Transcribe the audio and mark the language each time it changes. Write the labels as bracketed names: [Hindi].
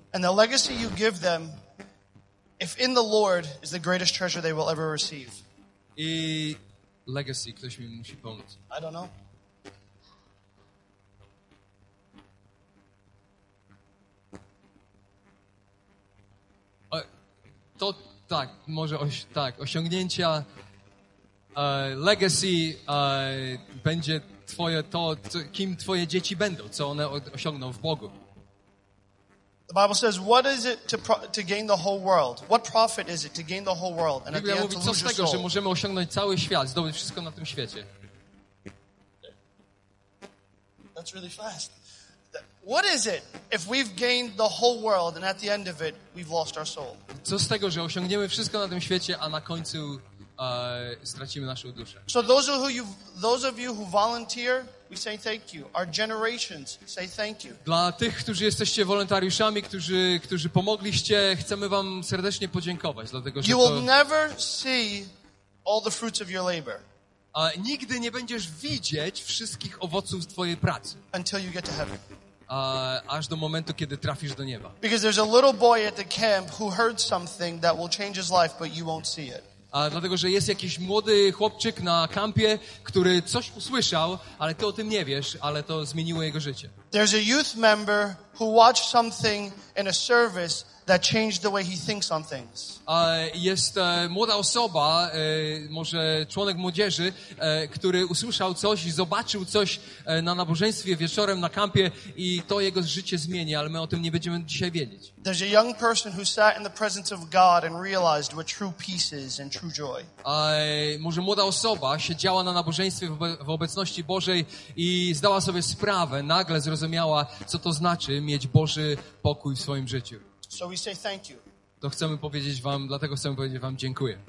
[English] And the legacy you give them, if in the Lord, is the greatest treasure they will ever receive. [Polish] I legacy, ktoś mi musi pomóc. [English] I don't know. [Polish] To tak, może tak, osiągnięcia legacy będzie twoje to, kim twoje dzieci będą, co one osiągną w Bogu. [English] The Bible says, what is it to gain the whole world? What profit is it to gain the whole world and at the end to lose your soul? [Polish] Co z tego, że możemy osiągnąć cały świat, zdobyć wszystko na tym świecie? [English] That's really fast. What is it if we've gained the whole world and at the end of it we've lost our soul? [Polish] Co z tego, że osiągniemy wszystko na tym świecie, a na końcu stracimy naszą duszę? [English] So those of you who volunteer, we say thank you. Our generations say thank you. [Polish] Dla tych, którzy jesteście wolontariuszami, którzy pomogliście, chcemy wam serdecznie podziękować, dlatego że [English] you will never see all the fruits of your labor. [Polish] A nigdy nie będziesz widzieć wszystkich owoców twojej pracy. [English] Until you get to heaven. [Polish] Aż do momentu, kiedy trafisz do nieba. [English] Because there's a little boy at the camp who heard something that will change his life, but you won't see it. [Polish] Dlatego, że jest jakiś młody chłopczyk na kampie, który coś usłyszał, ale ty o tym nie wiesz, ale to zmieniło jego życie. [English] There's a youth member who watched something in a service that changed the way he thinks on things. [Polish] Jest młoda osoba, może członek młodzieży, który usłyszał coś i zobaczył coś na nabożeństwie wieczorem na kampie i to jego życie zmieni, ale my o tym nie będziemy dzisiaj wiedzieć. [English] There's a young person who sat in the presence of God and realized what true peace is and true joy. [Polish] Może młoda osoba siedziała na nabożeństwie w obecności Bożej i zdała sobie sprawę, nagle zrozumiała, co to znaczy mieć Boży pokój w swoim życiu. [English] So we say thank you. [Polish] To chcemy powiedzieć wam, dlatego chcemy powiedzieć wam dziękuję.